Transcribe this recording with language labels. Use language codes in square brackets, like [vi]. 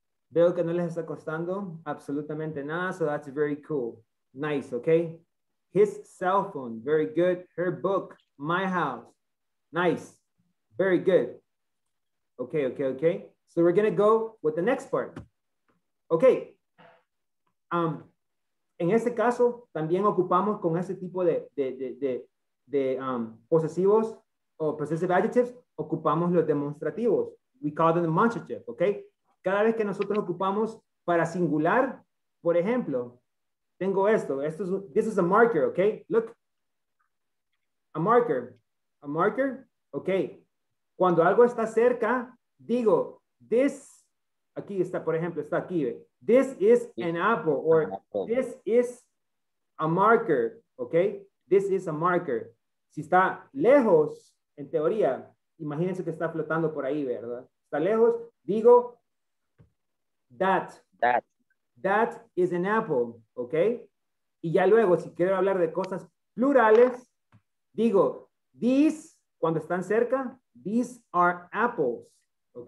[es] Veo que no les está costando absolutamente nada, [en] so that's very cool. Nice, okay? His cell phone, very good. Her book, my house. Nice, very good. Okay. So we're gonna go with the next part. Okay. [es] En este caso, también ocupamos con ese tipo de posesivos o [en] possessive adjectives, [es] ocupamos los demostrativos. [en] We call them demonstrative, okay? [es] Cada vez que nosotros ocupamos para singular, por ejemplo, tengo esto. [en] This is a marker, okay? Look. A marker, okay? [es] Cuando algo está cerca, digo, this, aquí está, por ejemplo, está aquí. [en] This is an apple, or this is a marker, okay? This is a marker. [es] Si está lejos, en teoría, imagínense que está flotando por ahí, ¿verdad? Está lejos, digo, [en] that is an apple, ¿ok? [es] Y ya luego, si quiero hablar de cosas plurales, digo, these, cuando están cerca, [en] these are apples, [es] ¿ok?